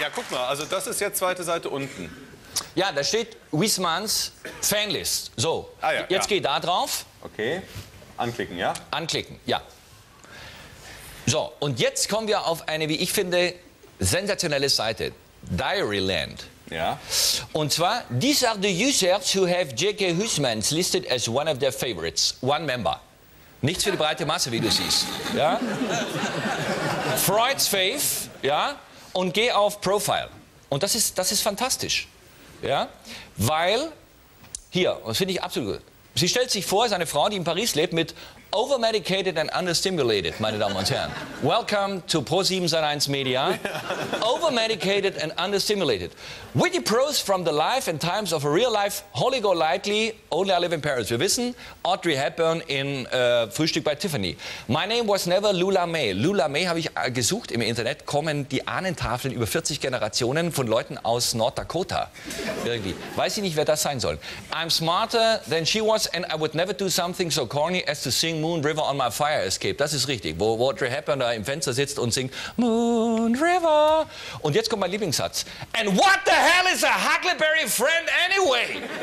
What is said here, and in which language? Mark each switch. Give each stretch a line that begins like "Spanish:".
German: Ja, guck mal, also das ist jetzt zweite Seite unten. Ja, da steht Wismans Fanlist. So, jetzt geh da drauf. Okay, anklicken, ja? Anklicken, ja. So, und jetzt kommen wir auf eine, wie ich finde, sensationelle Seite. Diaryland. Ja. Und zwar,
English: these are the users who have J.K. Wismans listed as one of their favorites. One member.
German: Nichts für die breite Masse, wie du siehst. Ja? Freud's Faith, ja? Und geh auf Profile. Und das ist fantastisch. Ja, weil, hier, das finde ich absolut gut. Sie stellt sich vor, seine Frau, die in Paris lebt, mit
English: overmedicated and understimulated,
German: meine Damen und Herren.
English: Welcome to Pro7-Sat.1 Media. Overmedicated and understimulated. Witty prose from the life and times of a real life, holy go lightly, only I live in Paris.
German: Wir wissen, Audrey Hepburn in Frühstück bei Tiffany.
English: My name was never Lula May.
German: Lula May habe ich gesucht im Internet, kommen die Ahnentafeln über 40 Generationen von Leuten aus North Dakota. Irgendwie. Weiß ich nicht, wer das sein soll.
English: I'm smarter than she was and I would never do something so corny as to sing Moon River on my fire escape.
German: Das ist richtig, wo Audrey Hepburn da im Fenster sitzt und singt Moon River. Und jetzt kommt mein Lieblingssatz.
English: And what the hell is a Huckleberry friend anyway?